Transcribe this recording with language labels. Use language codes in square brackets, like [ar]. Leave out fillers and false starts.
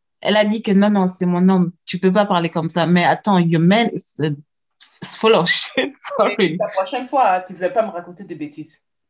[fr] Elle a dit que non, c'est mon homme, tu peux pas parler comme ça. Mais attends, [en] your man is full of shit. Sorry. [fr] La prochaine fois, tu ne vas pas me raconter des bêtises.